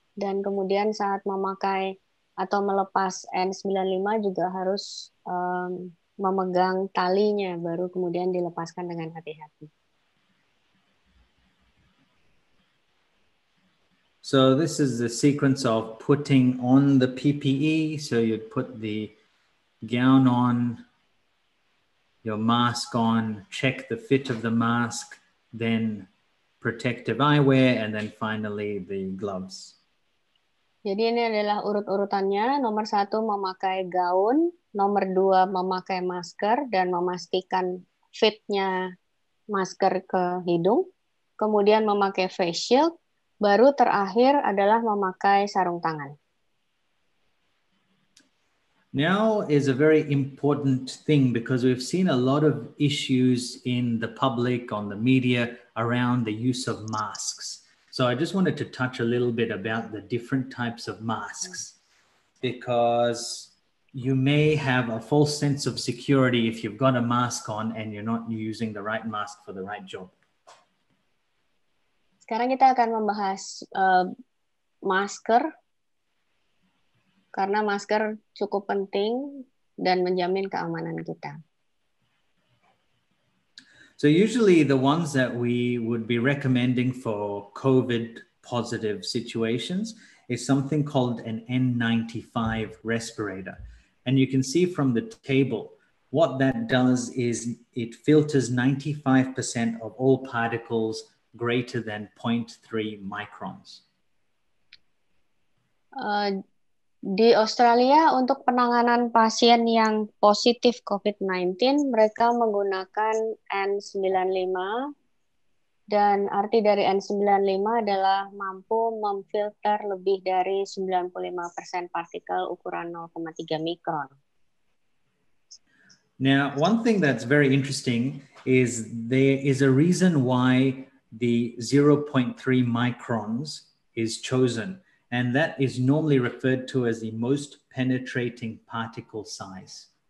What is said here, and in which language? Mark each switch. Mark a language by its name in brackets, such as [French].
[Indonesian] Dan kemudian saat memakai atau melepas N95 juga harus memegang talinya, baru kemudian dilepaskan dengan hati-hati. [English] So this is the sequence of putting on the PPE. So you'd put the gown on, your mask on, check the fit of the mask, then protective eyewear, and then finally the gloves. [Indonesian] Jadi ini adalah urut-urutannya. Nomor satu memakai gaun, nomor dua memakai masker dan memastikan fitnya masker ke hidung, kemudian memakai face shield, baru terakhir adalah memakai sarung tangan. [English] Now is a very important thing because we've seen a lot of issues in the public, on the media, around the use of masks. So I just wanted to touch a little bit about the different types of masks, because you may have a false sense of security if you've got a mask on and you're not using the right mask for the right job. [Indonesian] Sekarang kita akan membahas masker, karena masker cukup penting dan menjamin keamanan kita. [English] So usually the ones that we would be recommending for COVID positive situations is something called an N95 respirator. And you can see from the table, what that does is it filters 95% of all particles greater than 0.3 microns. [Indonesian] Di Australia, untuk penanganan pasien yang positif COVID-19, mereka menggunakan N95. Dan arti dari N95 adalah mampu memfilter lebih dari 95% partikel ukuran 0,3 mikron. [English] Now, one thing that's very interesting is there is a reason why the 0.3 microns is chosen. And that is normally referred to as the most penetrating particle size.